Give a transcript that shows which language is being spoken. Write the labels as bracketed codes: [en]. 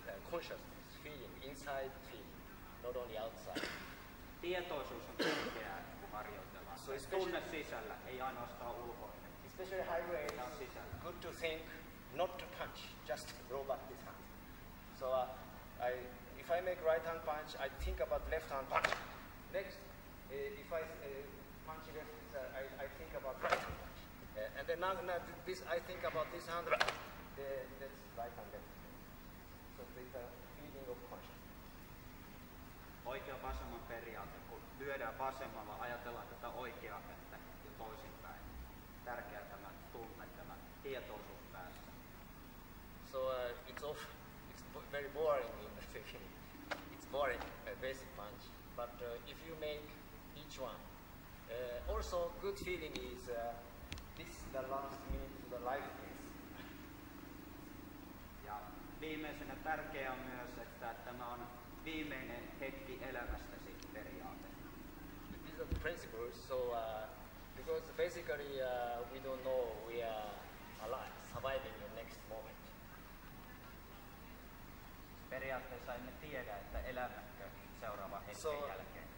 [en] Consciousness, feeling, inside feeling, not only outside. [fi] Tietoisuus on tärkeää, kun harjoitellaan. So tunne sisällä, ei ainoastaan ulkoinen. [en] Especially high grade, good to think, not to punch, just throw back this hand. So if I make right hand punch, I think about left hand punch. Next, if I punch left, I think about right hand punch. And then now this, I think about this hand, that's right hand left. So it's a feeling of consciousness. [fi] Oikea vasemman periaate, kun lyödään vasemmalla, ajatellaan tätä oikeaa kättä ja toisinpäin. Tärkeä tämä tunne, tämä tietoisuus päässä. [en] So it's very boring in the beginning. It's boring, a basic punch. But if you make each one, also good feeling is this is the last minute of the life phase. [fi] Ja viimeisenä tärkeää on myös, että tämä on viimeinen hetki elämästäsi periaate. [en] These are the principles, so because basically we don't know we are alive, surviving the next moment. [fi] Periaatteessa emme tiedä, että elämäkö seuraava hetken so, jälkeen.